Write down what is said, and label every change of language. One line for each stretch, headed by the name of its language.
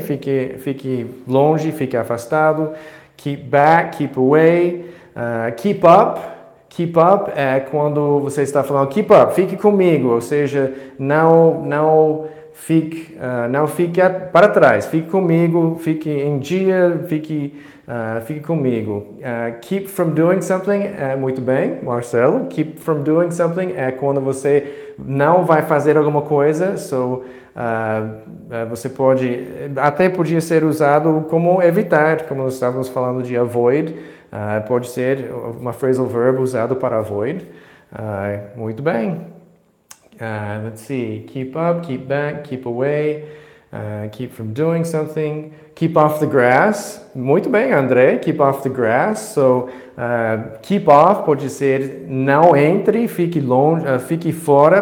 Portuguese: Fique longe, fique afastado.
English: Keep back, keep away, keep up.
Portuguese: Keep up é quando você está falando keep up, fique comigo, ou seja, não fique para trás, fique comigo, fique em dia, fique comigo. Keep from doing something é muito bem, Marcelo. Keep from doing something é quando você não vai fazer alguma coisa, so você pode, até podia ser usado como evitar, como nós estávamos falando de avoid, pode ser uma phrasal verb usado para avoid. Muito bem.
English: Let's see, keep up, keep back, keep away, keep from doing something, keep off the grass.
Portuguese: Muito bem, André,
English: keep off the grass.
Portuguese: So, keep off pode ser não entre, fique longe, fique fora.